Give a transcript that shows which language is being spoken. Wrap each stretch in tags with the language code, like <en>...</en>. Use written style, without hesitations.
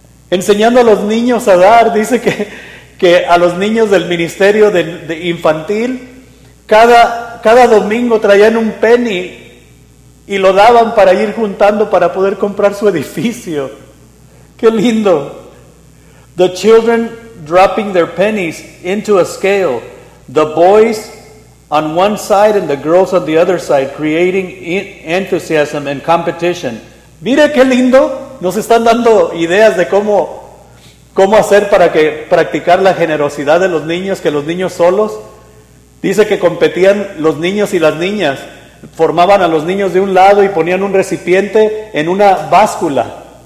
<es>Enseñando a los niños a dar, dice que a los niños del ministerio de infantil, cada domingo traían un penny y lo daban para ir juntando para poder comprar su edificio. Qué lindo.</es> <en>The children dropping their pennies into a scale. The boys on one side and the girls on the other side, creating enthusiasm and competition.</en> <es>Mira qué lindo. Nos están dando ideas de cómo hacer para que practicar la generosidad de los niños, que los niños solos. Dice que competían los niños y las niñas. Formaban a los niños de un lado y ponían un recipiente en una báscula.</es>